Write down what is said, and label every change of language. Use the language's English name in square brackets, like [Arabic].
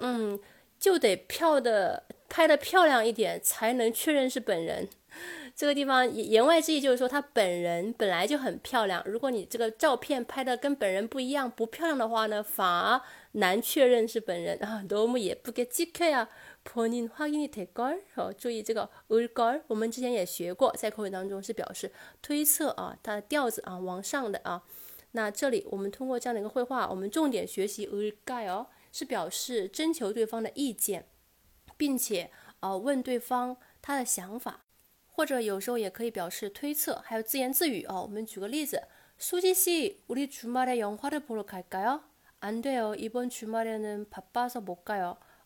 [Chinese] 条件不太好啊，不允许那种感觉，就是比如说呼吸困难啊， [Korean] 호흡이곤란하다 [Chinese] 这种意思。所以一般讲这个 [Korean] "곤란하다"， [Chinese] 很多时候就形容这个情况很窘迫啊，这种感觉，或者说难办棘手 [Korean] "곤란하지"。 너무이쁘게찍혀야본인확인이될걸？너무예쁘게찍혀야본인확인이될걸？ [Chinese] 然后他还摇摇头，不以为然，说嗯，就得漂的。拍的漂亮一点才能确认是本人，这个地方言外之意就是说他本人本来就很漂亮。如果你这个照片拍的跟本人不一样，不漂亮的话呢，反而难确认是本人啊。 [Korean] 너무 예쁘게 찍혀야 본인 확인이 될 걸? [Chinese] 注意这个을걸，我们之前也学过，在口语当中是表示推测啊，它的调子啊往上的啊。那这里我们通过这样的一个绘画，我们重点学习을걸，是表示征求对方的意见。并且问对方他的想法，或者有时候也可以表示推测，还有自言自语哦。我们举个例子， [Korean] 수지 씨, 우리 주말에 영화를 보러 갈까요? 안 돼요, 이번 주말에는 바빠서 못 가요.